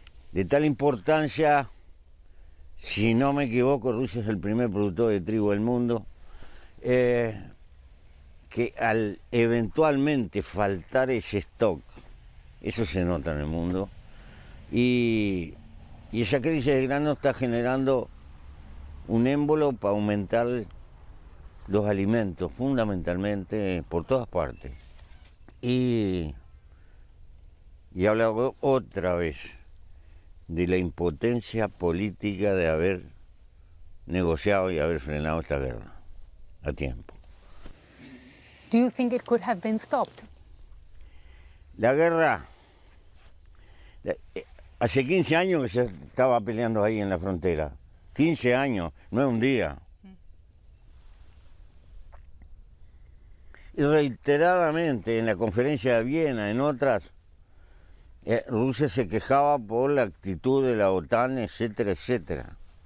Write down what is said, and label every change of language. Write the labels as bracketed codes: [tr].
[es] De tal importancia, si no me equivoco, Rusia es el primer productor de trigo del mundo, que al eventualmente faltar ese stock, eso se nota en el mundo, y esa crisis de grano está generando un émbolo para aumentar los alimentos, fundamentalmente, por todas partes. Y hablo otra vez de la impotencia política de haber negociado y haber frenado esta guerra a tiempo. [en] Do you think it could have been stopped? [es] La guerra, hace 15 años que se estaba peleando ahí en la frontera. 15 años, no es un día. Y reiteradamente en la conferencia de Viena, en otras, Rusia se quejaba por la actitud de la OTAN, etcétera, etcétera.